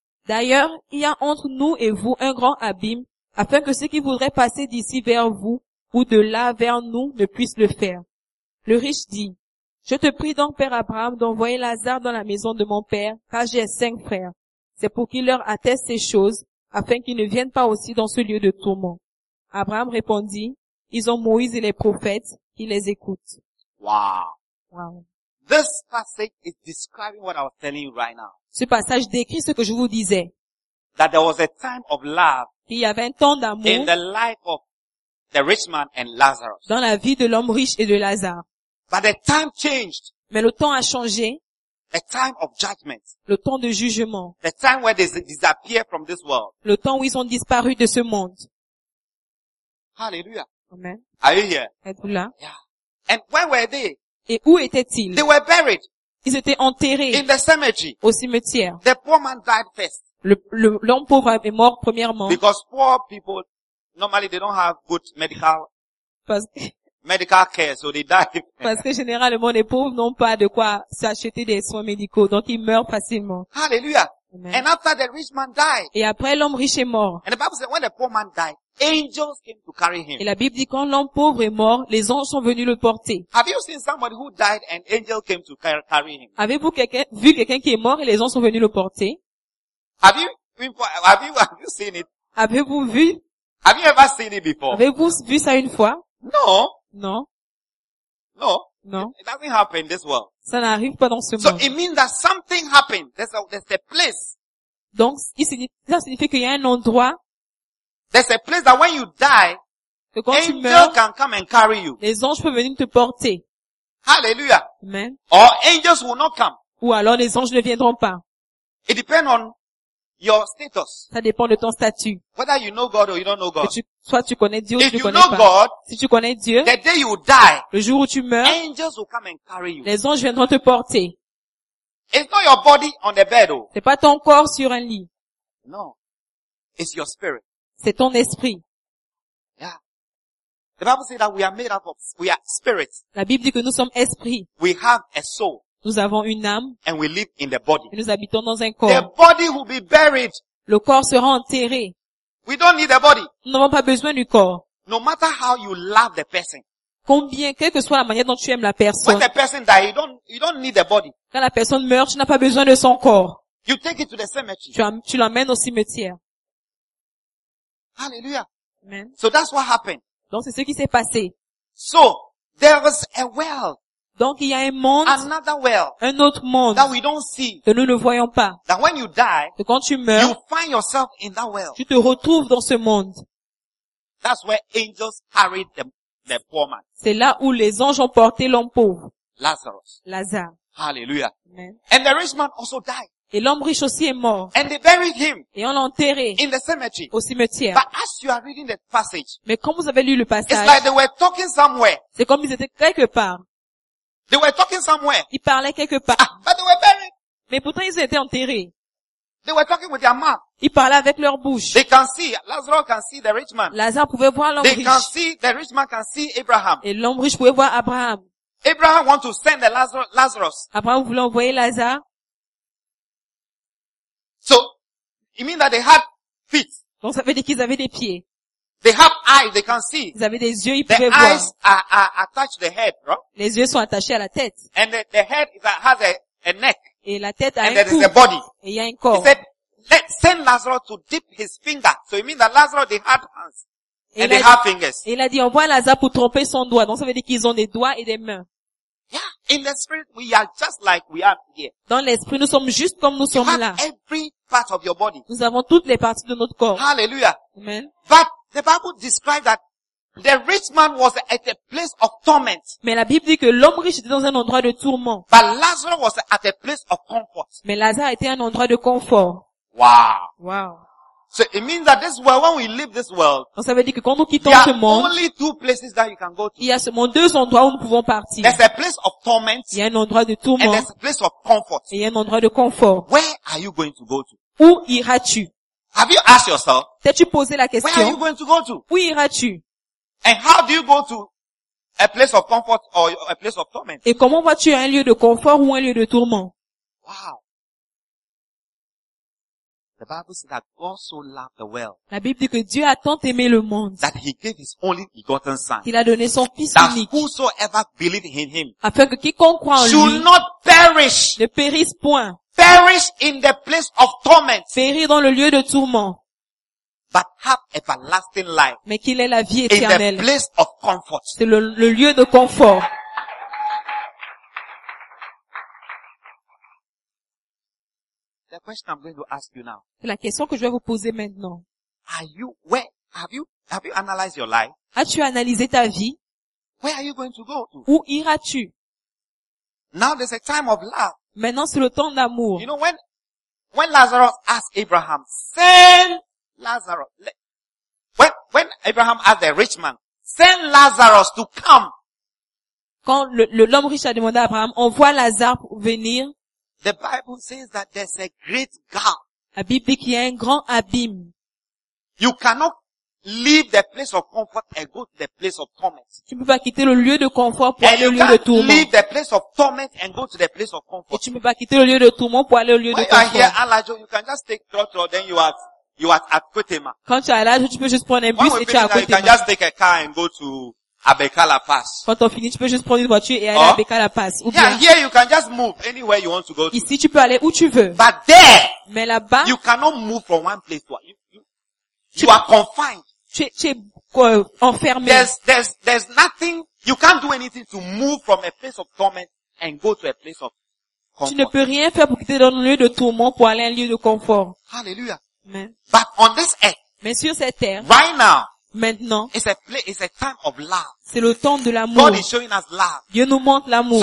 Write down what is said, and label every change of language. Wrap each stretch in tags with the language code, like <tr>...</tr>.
<fr>D'ailleurs, il y a entre nous et vous un grand abîme, afin que ceux qui voudraient passer d'ici vers vous ou de là vers nous ne puissent le faire. » Le riche dit, « Je te prie donc, Père Abraham, d'envoyer Lazare dans la maison de mon père, car j'ai 5 frères. C'est pour qu'il leur atteste ces choses, afin qu'ils ne viennent pas aussi dans ce lieu de tourment. » Abraham répondit, « Ils ont Moïse et les prophètes, ils les écoutent. » Wow.</fr> <en>This passage is describing what I was telling you right now.</en> <fr>Ce passage décrit ce que je vous disais.</fr> <en>That there was a time of love.</en> <fr>Il y avait un temps d'amour.</fr> <en>In the life of the rich man and Lazarus.</en> <fr>Dans la vie de l'homme riche et de Lazare.</fr> <en>But the time changed.</en> <fr>Mais le temps a changé.</fr> <en>The time of judgment.</en> <fr>Le temps de jugement.</fr> <en>The time where they disappear from this world.</en> <fr>Le temps où ils ont disparu de ce monde. Hallelujah. Amen.</fr> <en>Are you here?</en> <fr>Êtes-vous là?</fr> <en>Yeah. And where were they?</en> <fr>Et où étaient-ils?</fr> <en>They were buried.</en> <fr>Ils étaient enterrés.</fr> <en>In the cemetery.</en> <fr>Au cimetière.</fr> <en>The poor man died first.</en> <fr>L'homme pauvre est mort premièrement.</fr> <en>Because poor people, normally they don't have good medical care, so they die.</en> <fr>Parce que généralement les pauvres n'ont pas de quoi s'acheter des soins médicaux, donc ils meurent facilement. Hallelujah. Amen.</fr> <en>And after the rich man died.</en> <fr>Et après l'homme riche est mort.</fr> <en>And the Bible says when the poor man died, angels came to carry him.</en> <fr>Et la Bible dit quand l'homme pauvre est mort, les anges sont venus le porter.</fr> <en>Have you seen somebody who died and angels came to carry him?</en> <fr>Avez-vous vu quelqu'un qui est mort et les anges sont venus le porter?</fr> <en>Have you seen it?</en> <fr>Avez-vous vu?</fr> <en>Have you ever seen it before?</en> <fr>Avez-vous vu ça une fois?</fr> <en>No.</en> <fr>Non.</fr> <en>No.</en> <fr>Non.</fr> <en>It doesn't happen in this world.</en> <fr>Ça n'arrive pas dans ce monde.</fr> <en>So it means that something happened. There's a place.</en> <fr>Donc, ça signifie qu'il y a un endroit</fr> <en>There's a place that when you die, angels can come and carry you.</en> <fr>Les anges peuvent venir te porter. Hallelujah. Amen.</fr> <en>Or angels will not come.</en> <fr>Ou alors les anges ne viendront pas.</fr> <en>It depends on your status.</en> <fr>Ça dépend de ton statut.</fr> <en>Whether you know God or you don't know God.</en> <fr>Que tu, soit tu connais Dieu</fr> <en>if</en> <fr>ou tu</fr> <en>you</en> <fr>connais</fr> <en>know</en> <fr>pas.</fr> <en>God,</en> <fr>si tu connais Dieu,</fr> <en>the day you die,</en> <fr>le jour où tu meurs,</fr> <en>angels will come and carry you.</en> <fr>Les anges viendront te porter.</fr> <en>It's not your body on the bed, though.</en> <fr>C'est pas ton corps sur un lit.</fr> <en>No. It's your spirit.</en> <fr>C'est ton esprit.</fr> <en>Yeah. The Bible says that we are made up of, we are spirit.</en> <fr>La Bible dit que nous sommes esprit.</fr> <en>We have a soul.</en> <fr>Nous avons une âme.</fr> <en>And we live in the body.</en> <fr>Et nous habitons dans un corps.</fr> <en>The body will be buried.</en> <fr>Le corps sera enterré.</fr> <en>We don't need the body.</en> <fr>Nous n'avons pas besoin du corps.</fr> <en>No matter how you love the person.</en> <fr>Combien, quelle que soit la manière dont tu aimes la personne.</fr> <en>When the person dies, you don't need the body.</en> <fr>Quand la personne meurt, tu n'as pas besoin de son corps.</fr> <en>You take it to the cemetery.</en> <fr>Tu l'emmènes au cimetière. Hallelujah. Amen.</fr> <en>So that's what happened.</en> <fr>Donc c'est ce qui s'est passé.</fr> <en>So there was a world.</en> <fr>Donc il y a un monde,</fr> <en>another world,</en> <fr>un autre monde</fr> <en>that we don't see,</en> <fr>que nous ne voyons pas.</fr> <en>That when you die,</en> <fr>que quand tu meurs,</fr> <en>you find yourself in that world.</en> <fr>Tu te retrouves dans ce monde.</fr> <en>That's where angels carried the poor man.</en> <fr>C'est là où les anges ont porté l'homme pauvre.</fr> <en>Lazarus.</en> <fr>Lazare. Hallelujah. Amen.</fr> <en>And the rich man also died.</en> <fr>Et l'homme riche aussi est mort.</fr> <en>And they buried him.</en> <fr>Et on l'a enterré</fr> <en>in the cemetery.</en> <fr>Au cimetière.</fr> <en>But as you are reading the passage,</en> <fr>mais quand vous avez lu le passage,</fr> <en>it's like they were talking somewhere.</en> <fr>C'est comme ils étaient quelque part.</fr> <en>They were talking somewhere.</en> <fr>Ils parlaient quelque part.</fr> <en>Ah, but they were buried.</en> <fr>Mais pourtant ils étaient enterrés.</fr> <en>They were talking with their mouth.</en> <fr>Ils parlaient avec leur bouche.</fr> <en>They can see. Lazarus can see the rich man.</en> <fr>Lazare pouvait voir l'homme</fr> <en>they</en> <fr>riche.</fr> <en>They can see the rich man can see Abraham.</en> <fr>Et l'homme riche pouvait voir Abraham.</fr> <en>Abraham want to send the Lazarus.</en> <fr>Abraham voulait envoyer Lazare.</fr> <en>So, it means that they had feet.</en> <fr>Donc ça veut dire qu'ils avaient des pieds.</fr> <en>They have eyes, they can see.</en> <fr>Ils avaient des yeux, ils</fr> <en>the</en> <fr>pouvaient voir.</fr> <en>The eyes are attached to the head, right?</en> <fr>Les yeux sont attachés à la tête.</fr> <en>And the head is, has a neck.</en> <fr>Et la tête a</fr> <en>and</en> <fr>un cou.</fr> <en>And there is a body.</en> <fr>Et il y a un corps.</fr> <en>He said, let send Lazarus to dip his finger. So it means that Lazarus they had hands and they have fingers.</en> <fr>Et il a dit envoie Lazare pour tremper son doigt. Donc ça veut dire qu'ils ont des doigts et des mains.</fr> <en>Yeah, in the spirit we are just like we are here.</en> <fr>Dans l'esprit nous sommes juste comme nous</fr> <en>you</en> <fr>sommes</fr> <en>have</en> <fr>là.</fr> <en>Every part of your body.</en> <fr>Nous avons toutes les parties de notre corps. Hallelujah. Amen.</fr> <en>But the Bible describes that the rich man was at a place of torment.</en> <fr>Mais la Bible dit que l'homme riche était dans un endroit de tourment.</fr> <en>But Lazarus was at a place of comfort.</en> <fr>Mais Lazare était un endroit de confort. Wow. Wow.</fr> <en>So it means that this world, when we leave this world,</en> <fr>ça veut dire que quand nous quittons ce monde,</fr> <en>only two places that you can go to.</en> <fr>Il y a seulement deux endroits où nous pouvons partir.</fr> <en>There's a place of torment.</en> <fr>Il y a un endroit de tourment.</fr> <en>And there's a place of comfort.</en> <fr>Et il y a un endroit de confort.</fr> <en>Where are you going to go to?</en> <fr>Où iras-tu?</fr> <en>Have you asked yourself?</en> <fr>T'es-tu posé la question?</fr> <en>Where are you going to go to?</en> <fr>Où iras-tu?</fr> <en>And how do you go to a place of comfort or a place of torment?</en> <fr>Et comment vas-tu à un lieu de confort ou un lieu de tourment? Wow.</fr> <en>The Bible says that God so loved the world.</en> <fr>La Bible dit que Dieu a tant aimé le monde.</fr> <en>That he gave his only begotten son.</en> <fr>Il a donné son fils</fr> <en>that</en> <fr>unique.</fr> <en>That whosoever believeth in him.</en> <fr>Afin que quiconque croit en lui.</fr> <en>Should not perish.</en> <fr>Ne périsse point.</fr> <en>Perish in the place of torment.</en> <fr>Périr dans le lieu de tourment.</fr> <en>But have everlasting life.</en> <fr>Mais qu'il ait la vie éternelle.</fr> <en>In the place of comfort.</en> <fr>C'est le lieu de confort.</fr> <en>The question I'm going to ask you now.</en> <fr>C'est la question que je vais vous poser maintenant.</fr> <en>Have you analyzed your life?</en> <fr>As-tu analysé ta vie?</fr> <en>Where are you going to go to?</en> <fr>Où iras-tu?</fr> <en>Now there's a time of love.</en> <fr>Maintenant c'est le temps d'amour.</fr> <en>You know when Lazarus asked Abraham, send Lazarus. When Abraham asked the rich man, send Lazarus to come.</en> <fr>Quand l'homme riche a demandé à Abraham, envoie Lazare pour venir.</fr> <en>The Bible says that there's a great gap.</en> <fr>La Bible dit qu'il y a un grand abîme.</fr> <en>You cannot leave the place of comfort and go to the place of torment.</en> <fr>Tu ne peux pas quitter le lieu de confort pour aller au lieu de tourment.</fr> <en>And you can't leave the place of torment and go to the place of comfort.</en> <fr>Et tu ne peux pas quitter le lieu de tourment pour aller au lieu</fr> <en>when When you are here, Alajo, you can just take trotro, then you are at Kwetema.</en> <fr>Quand tu es à Alajo, tu peux juste prendre un bus</fr> <en>when</en> <fr>et tu es à Kwetema.</fr> <en>You can just take a car and go to Abekala Pass.</en> <fr>Quand on finit, tu peux juste prendre une voiture et aller à Abekala Pass. Ou bien,</fr> <en>yeah, here you can just move anywhere you want to go to.</en> <fr>Ici, tu peux aller où tu veux.</fr> <en>But there,</en> <fr>mais là-bas,</fr> <en>you cannot move from one place to another. You are confined.</en> <fr>Tu es enfermé.</fr> <en>There's nothing, you can't do anything to move from a place of torment and go to a place of comfort.</en> <fr>Tu ne peux rien faire pour quitter un lieu de tourment pour aller à un lieu de confort. Hallelujah. Amen.</fr> <en>But on this earth,</en> <fr>Mais sur cette terre.</fr> <en>Right now.</en> <fr>Maintenant.</fr> <en>It's a time of love.</en> <fr>C'est le temps de l'amour.</fr> <en>God is showing us love.</en> <fr>Dieu nous montre l'amour.</fr>